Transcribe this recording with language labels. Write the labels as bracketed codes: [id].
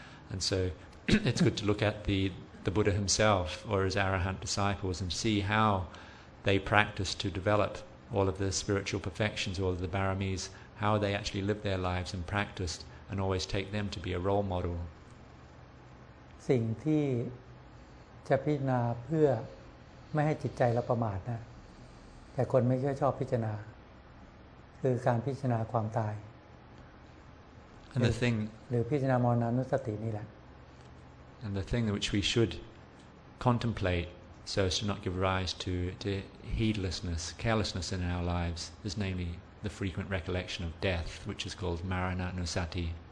[en] And so it's good to look at the Buddha himself or his Arahant disciples and see how they practice to develop all of the spiritual perfections, all of the baramis, how they actually live their lives and practiced. And always take them to be a role model. [th] สิ่งที่จะพิจารณาเพื่อไม่ให้จิตใจเราประมาทนะแต่คนไม่ค่อยชอบพิจารณาคือการพิจารณาความตาย [en] And the thing [th] หรือพิจารณามรณานุสตินี่แหละ [en] And the thing which we should contemplate so as to not give rise to heedlessness, carelessness in our lives is namely. The frequent recollection of death, which is called Marana Anusati.